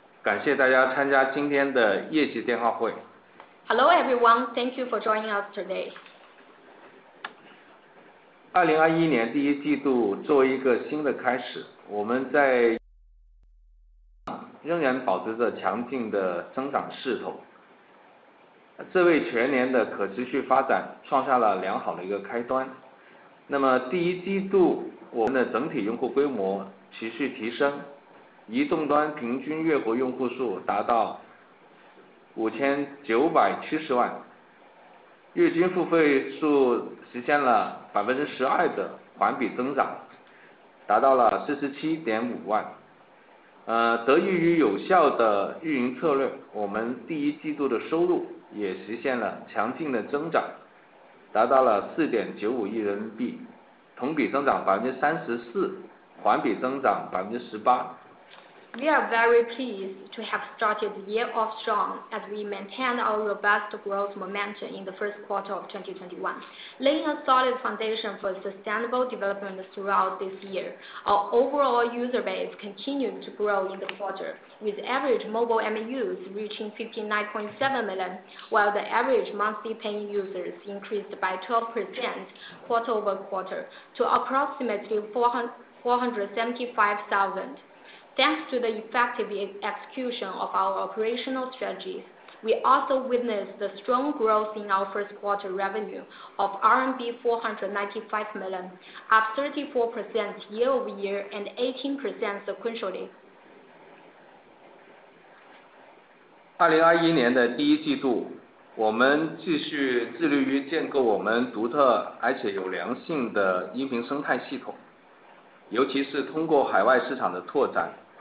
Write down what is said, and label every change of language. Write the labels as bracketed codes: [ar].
[zh] 感谢大家参加今天的业绩电话会。 [en] Hello everyone, thank you for joining us today. [zh] 2021年第一季度作为一个新的开始, 我们仍然保持着强劲的增长势头。这为全年的可持续发展创下了良好的一个开端。那么第一季度我们的整体用户规模持续提升, 移动端平均月活用户数达到 5,970万, 月均付费数实现了 12% 的环比增长, 达到了 47.5万。得益于有效的运营策略, 我们第一季度的收入也实现了强劲的增长, 达到了 4.95亿人民币, 同比增长 34%, 环比增长 18%。 [en] We are very pleased to have started the year off strong as we maintain our robust growth momentum in the first quarter of 2021, laying a solid foundation for sustainable development throughout this year. Our overall user base continued to grow in the quarter, with average mobile MAUs reaching 59.7 million, while the average monthly paying users increased by 12% quarter over quarter to approximately 475,000. Thanks to the effective execution of our operational strategies, we also witnessed the strong growth in our first quarter revenue of RMB 495 million, up 34% year over year and 18% sequentially. [zh] 2021年的第一季度，我们继续致力于建构我们独特而且有良性的音频生态系统，尤其是通过海外市场的拓展。